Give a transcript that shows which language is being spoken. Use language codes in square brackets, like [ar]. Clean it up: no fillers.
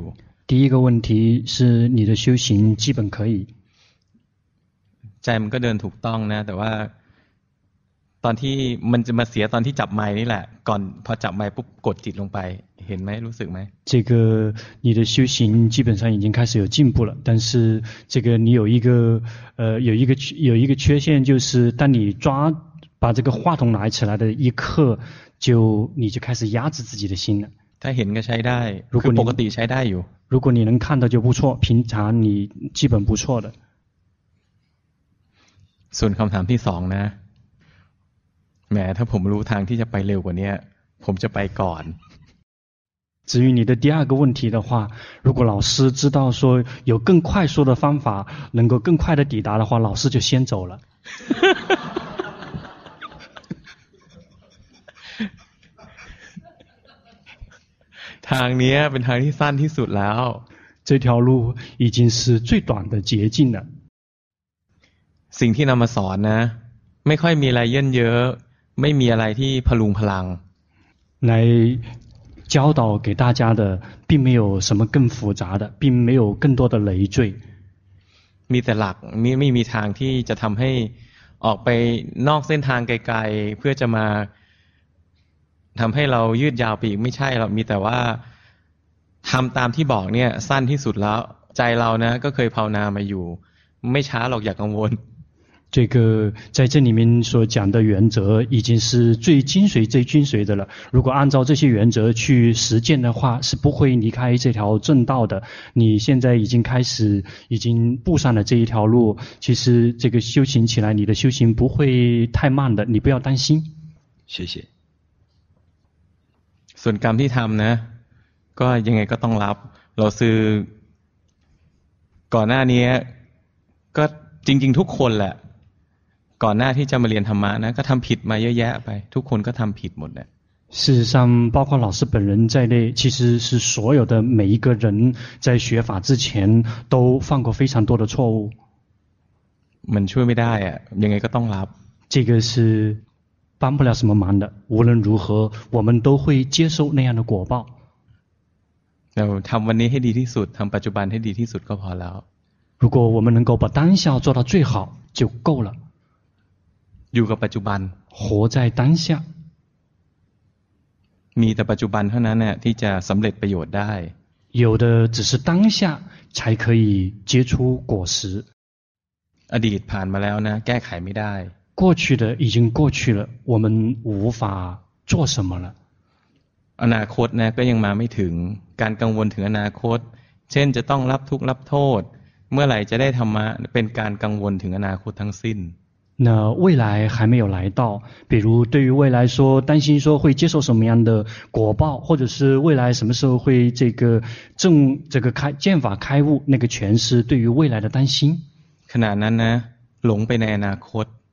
[zh] 第一个问题是你的修行基本可以 [th] ใจมันก็เดินถูกต้องนะแต่ว่าตอนที่มันจะมาเสียตอนที่จับไมค์นี่แหละก่อนพอจับไมค์ปุ๊บกดจิตลงไปเห็นไหมรู้สึกไหม [zh] 这个你的修行基本上已经开始有进步了但是这个你有一个有一个缺陷就是当你抓把这个话筒拿起来的一刻就你就开始压制自己的心了 [th] ถ้าเห็นก็ใช้ได้คือปกติใช้ได้อยู่ [zh] 如果你能看到就不错平常你基本不错的 [th] ส่วนคำถามที่สองนะแหมถ้าผมรู้ทางที่จะไปเร็วกว่านี้ผมจะไปก่อน [zh] 至于你的第二个问题的话如果老师知道说有更快速的方法能够更快的抵达的话老师就先走了 [th] ทางนี้เป็นทางที่สั้นที่สุดแล้ว [zh] 这条路已经是最短的捷径了 [th] สิ่งที่นำมาสอนนะไม่ค่อยมีอะไรเยื่อเยอะไม่มีอะไรที่พลุงพลัง [zh] ใน教导给大家的并没有什么更复杂的并没有更多的累赘 [th] มีแต่หลักไม่มีทางที่จะทำให้ออกไปนอกเส้นทางไกลๆเพื่อจะมาทำให้เรายืดยาวไปอีกไม่ใช่หรอกมีแต่ว่าทำตามที่บอกเนี่ยสั้นที่สุดแล้วใจเรานะก็เคยภาวนามาอยู่ไม่ช้าหรอกอย่ากังวล [zh] 这个在这里面所讲的原则已经是最精髓最精髓的了如果按照这些原则去实践的话是不会离开这条正道的你现在已经开始已经步上了这一条路其实这个修行起来你的修行不会太慢的你不要担心谢谢 [th] ส่วนกรรมที่ทำนะก็ยังไงก็ต้องรับเราซื้อก่อนหน้านี้ก็จริงๆทุกคนแหละก่อนหน้าที่จะมาเรียนธรรมะนะก็ทำผิดมาเยอะแยะไปทุกคนก็ทำผิดหมดแหละ [zh] 事实上包括老师本人在内其实是所有的每一个人在学法之前都犯过非常多的错误 [th] มันช่วยไม่ได้อะยังไงก็ต้องรับ [zh] 这个是帮不了什么忙的无论如何我们都会接受那样的果报 [th] เราทำวันนี้ให้ดีที่สุดทำปัจจุบันให้ดีที่สุดก็พอแล้ว [zh] 如果我们能够把当下做到最好就够了 [th] อยู่กับปัจจุบัน [zh] 活在当下 [th] มีแต่ปัจจุบันเท่านั้นเนี่ยที่จะสำเร็จประโยชน์ได้ [zh] 有的只是当下才可以结出果实 [th] อดีตผ่านมาแล้วนะแก้ไขไม่ได้ [zh] 过去的已经过去了我们无法做什么了 [th] อนาคตนะก็ยังมาไม่ถึงการกังวลถึงอนาคตเช่นจะต้องรับทุกข์รับโทษเมื่อไหร่จะได้ธรรมะเป็นการกังวลถึงอนาคตทั้งสิ้น [zh] 那未来还没有来到，比如对于未来说，担心说会接受什么样的果报，或者是未来什么时候会这个正这个开见法开悟，那个全是对于未来的担心。 [th] ขณะนั้นนะ หลงไปในอนาคต